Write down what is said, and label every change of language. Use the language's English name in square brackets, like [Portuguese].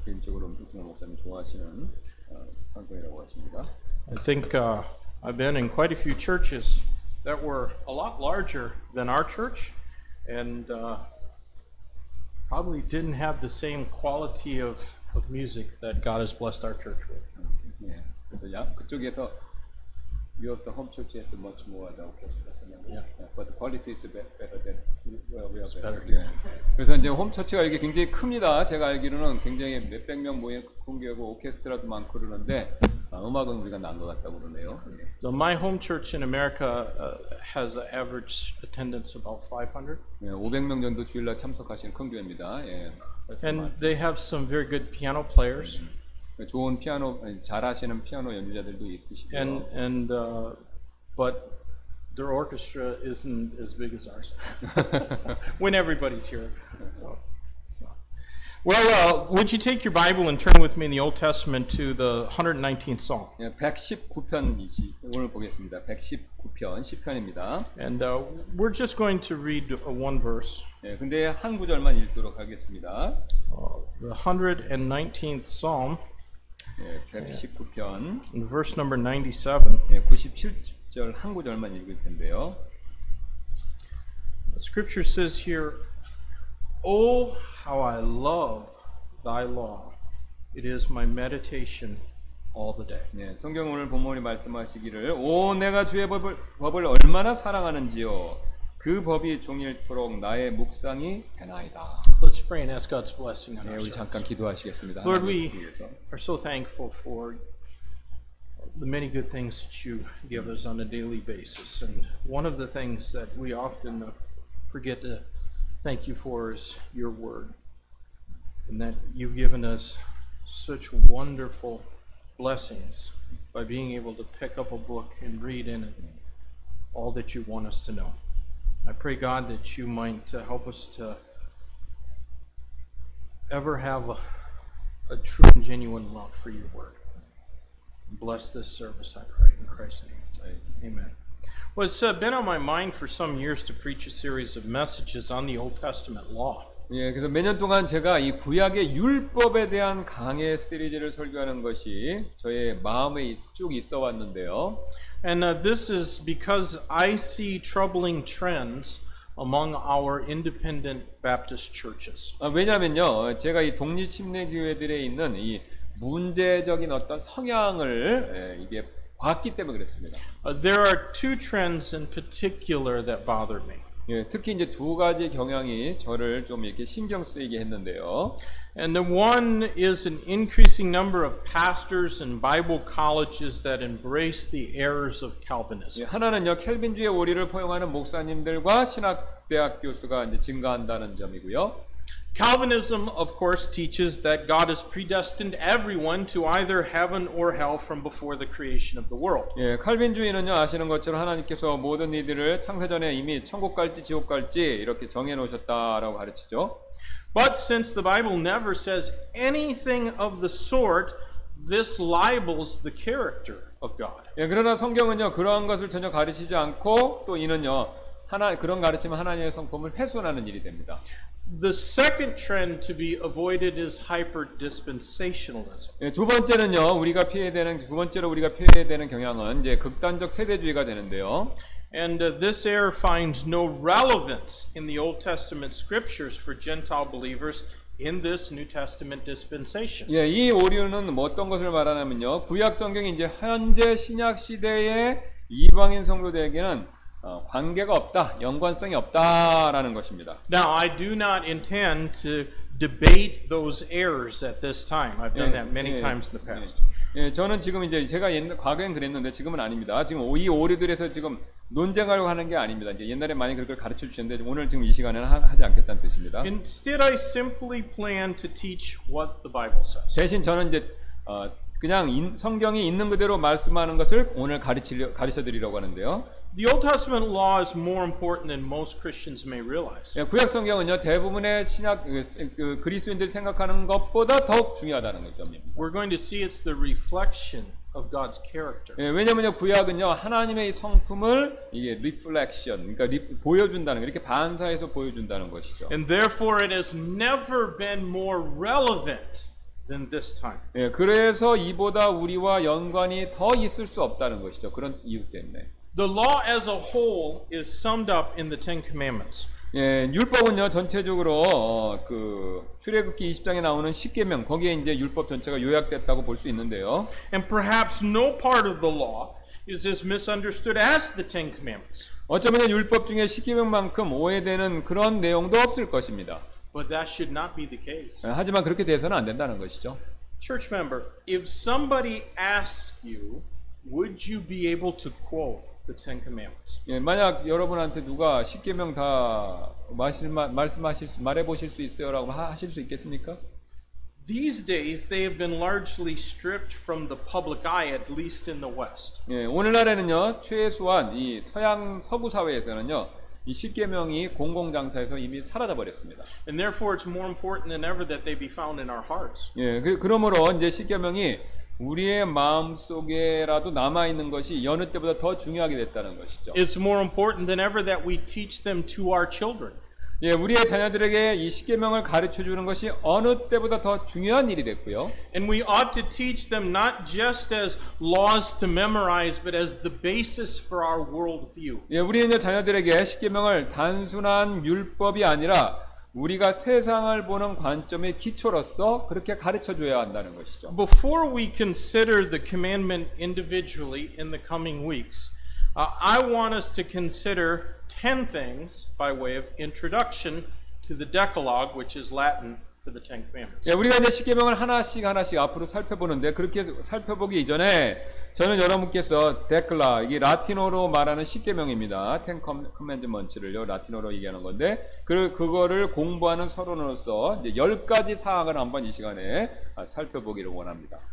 [Korean] 개인적으로 조정호 목사님 좋아하시는 찬송이라고 같습니다. [English] I think I've been in quite a few churches that were a lot larger than our church, and probably didn't have the same quality of music that God has blessed our church with. [Korean] 네, 그래서 야 그쪽에서 [English] you of the home church is much more than our church, but the quality is better than where we are better. [Korean] 그래서 이제 홈 처치가 이게 굉장히 큽니다. 제가 알기로는 굉장히 몇백 명 모인 공개하고 오케스트라도 많고 그러는데 음악은 우리가 난 것 같다고 그러네요. [English] So my home church in America has an average attendance about 500. [Korean] 500명 정도 주일날 참석하시는 큰 교회입니다. [English] And they have some very good piano players. [Korean] 좋은 피아노 잘하시는 피아노 연주자들도 있으시고요. [English] And but their orchestra isn't as big as ours. When everybody's here. So. Well, would you take your Bible and turn with me in the Old Testament to the 119th Psalm? [Korean] 119편이지. 오늘 보겠습니다. 119편 시편입니다. [English] And we're just going to read one verse. [Korean] 예, 근데 한 구절만 읽도록 하겠습니다. [English] The 119th Psalm. [Korean] 119편 [English] verse number 97. [Korean] 97절 한 구절만 읽을 텐데요. [English] The scripture says here, "Oh, how I love thy law. It is my meditation all the day." [Korean] 네, 성경 오늘 본문이 말씀하시기를 오 내가 주의 법을 얼마나 사랑하는지요. 그 법이 종일토록 나의 묵상이 되나이다. [English] Let's pray and ask God's blessing on us. [Korean] 잠깐 기도하시겠습니다. [English] Lord, we are so thankful for the many good things that you give us on a daily basis. And one of the things that we often forget to thank you for is your word. And that you've given us such wonderful blessings by being able to pick up a book and read in it all that you want us to know. I pray, God, that you might help us to ever have a true and genuine love for your word. Bless this service, I pray, in Christ's name. Amen. Well, it's been on my mind for some years to preach a series of messages on the Old Testament law. [Korean] 예, 그래서 몇 년 동안 제가 이 구약의 율법에 대한 강해 시리즈를 설교하는 것이 저의 마음에 쭉 있어 왔는데요. [English] And this is because I see troubling trends among our independent Baptist churches. [Korean] 왜냐면요, 제가 이 독립침례교회들에 있는 이 문제적인 어떤 성향을 이게 봤기 때문에 그랬습니다. [English] There are two trends in particular that bother me. [Korean] 예, 특히 이제 두 가지 경향이 저를 좀 이렇게 신경 쓰이게 했는데요. [English] And the one is an increasing number of pastors and Bible colleges that embrace the errors of Calvinism. [Korean] 예, 하나는요, 켈빈주의 오류를 포용하는 목사님들과 신학대학 교수가 이제 증가한다는 점이고요. [English] Calvinism, of course, teaches that God has predestined everyone to either heaven or hell from before the creation of the world. [Korean] 예, 칼빈주의는요 아시는 것처럼 하나님께서 모든 이들을 창세 전에 이미 천국 갈지 지옥 갈지 이렇게 정해 놓으셨다라고 가르치죠. [English] But since the Bible never says anything of the sort, this libels the character of God. [Korean] 예, 그러나 성경은요 그러한 것을 전혀 가르치지 않고 또 이는요 하나 그런 가르침은 하나님의 성품을 훼손하는 일이 됩니다. [English] The second trend to be avoided is hyper-dispensationalism. [Korean] 예, 두 번째는요, 우리가 피해야 되는 두 번째로 우리가 피해야 되는 경향은 이제 극단적 세대주의가 되는데요. [English] And this error finds no relevance in the Old Testament scriptures for Gentile believers in this New Testament dispensation. [Korean] 예, 이 오류는 어떤 것을 말하냐면요, 구약 성경이 이제 현재 신약 시대의 이방인 성도들에게는 관계가 없다, 연관성이 없다라는 것입니다. [English] Now I do not intend to debate those errors at this time. I've done that many times in the past. [Korean] 예, 저는 지금 이제 제가 옛날 과거엔 그랬는데 지금은 아닙니다. 지금 이 오류들에서 지금 논쟁하려고 하는 게 아닙니다. 이제 옛날에 많이 그걸 가르쳐 주셨는데 오늘 지금 이 시간에는 하지 않겠다는 뜻입니다. [English] Instead, I simply plan to teach what the Bible says. [Korean] 대신 저는 이제 그냥 성경이 있는 그대로 말씀하는 것을 오늘 가르쳐 드리려고 하는데요. [English] The Old Testament law is more important than most Christians may realize. [Korean] 예, 구약 성경은요 대부분의 신약 그리스도인들이 생각하는 것보다 더욱 중요하다는 점입니다. [English] We're going to see it's the reflection of God's character. [Korean] 예, 왜냐면요 구약은요 하나님의 이 성품을 이게 리플렉션, 그러니까 보여준다는 이렇게 반사해서 보여준다는 것이죠. [English] And therefore, it has never been more relevant than this time. [Korean] 예, 그래서 이보다 우리와 연관이 더 있을 수 없다는 것이죠. 그런 이유 때문에. [English] The law as a whole is summed up in the Ten Commandments. [Korean] 예, 율법은요 전체적으로 그 출애굽기 20장에 나오는 십계명 거기에 이제 율법 전체가 요약됐다고 볼 수 있는데요. [English] And perhaps no part of the law is as misunderstood as the Ten Commandments. [Korean] 어쩌면 율법 중에 십계명만큼 오해되는 그런 내용도 없을 것입니다. [English] But that should not be the case. [Korean] 예, 하지만 그렇게 돼서는 안 된다는 것이죠. [English] Church member, if somebody asks you, would you be able to quote the Ten Commandments? [Korean] 예, 만약 여러분한테 누가 십계명 다 말해보실 수 있어요라고 하실 수 있겠습니까? [English] These days, they have been largely stripped from the public eye, at least in the West. [Korean] 예, 오늘날에는요 최소한 이 서양 서구 사회에서는요 이 십계명이 공공장사에서 이미 사라져 버렸습니다. [English] And therefore, it's more important than ever that they be found in our hearts. [Korean] 예, 그러므로 이제 십계명이 우리의 마음속에라도 남아 있는 것이 여느 때보다 더 중요하게 됐다는 것이죠. [English] It's more important than ever that we teach them to our children. [Korean] 예, 우리의 자녀들에게 이 십계명을 가르쳐 주는 것이 어느 때보다 더 중요한 일이 됐고요. [English] And we ought to teach them not just as laws to memorize but as the basis for our world view. [Korean] 예, 우리는 자녀들에게 십계명을 단순한 율법이 아니라 우리가 세상을 보는 관점의 기초로서 그렇게 가르쳐 줘야 한다는 것이죠. [English] Before we consider the commandment individually in the coming weeks, I want us to consider 10 things by way of introduction to the Decalogue, which is Latin for the Ten Commandments. [Korean] 예, 우리가 이제 십계명을 하나씩 하나씩 앞으로 살펴보는데 그렇게 살펴보기 이전에 저는 여러분께서 데클라 이게 라틴어로 말하는 십계명입니다. 텐 커맨드먼츠를요 라틴어로 얘기하는 건데 그거를 공부하는 서론으로서 이제 열 가지 사항을 한번 이 시간에 살펴보기를 원합니다.